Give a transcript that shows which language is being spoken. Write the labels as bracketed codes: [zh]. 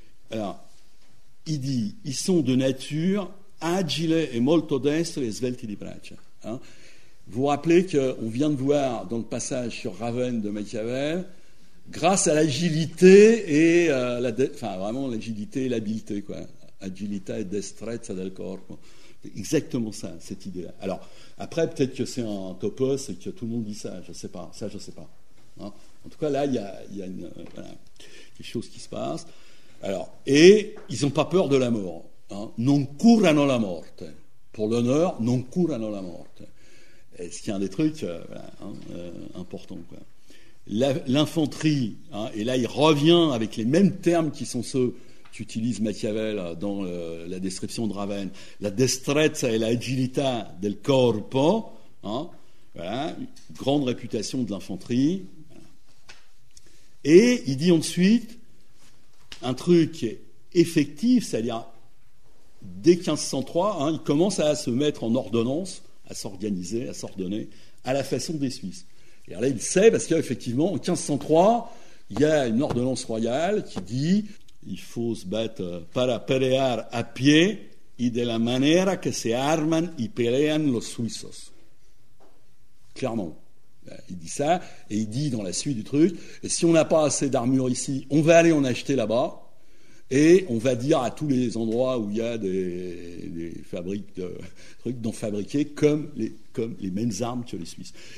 [fr] Alors, il dit, ils sont de nature agile et [it] molto destre [fr] et [it] svelti di braccia. [fr] Hein. Vous rappelez qu'on vient de voir dans le passage sur Ravenne de Machiavel, grâce à l'agilité et vraiment l'agilité et l'habileté, quoi. [it] Agilità e destrezza del corpo. [fr] Exactement ça, cette idée-là. Alors, après, peut-être que c'est un topos et que tout le monde dit ça, je ne sais pas. Ça, je ne sais pas. Hein. En tout cas, là, il y a quelque chose qui se passe. Alors, et ils n'ont pas peur de la mort. Hein. [it] Non curano la morte. [fr] Pour l'honneur, [it] non curano la morte. [fr] Et ce qui est un des trucs importants. Quoi. L'infanterie, hein, et là, il revient avec les mêmes termes qui sont ceux qu'utilise Machiavel dans la description de Ravenne, la destrezza et [it] l'agilità del corpo, [fr] hein, voilà, grande réputation de l'infanterie. Et il dit ensuite un truc effectif, c'est-à-dire dès 1503, hein, il commence à se mettre en ordonnance, à s'organiser, à s'ordonner, à la façon des Suisses. Et là, il sait, parce qu'effectivement, en 1503, il y a une ordonnance royale qui dit... Il faut se battre [es] para pelear a pie y de la manera que se arman y pelean los suizos. [fr] Clairement. Il dit ça, et il dit dans la suite du truc, et si on n'a pas assez d'armure ici, on va aller en acheter là-bas, et on va dire à tous les endroits où il y a des fabriques de trucs, d'en fabriquer comme les mêmes armes que les Suisses.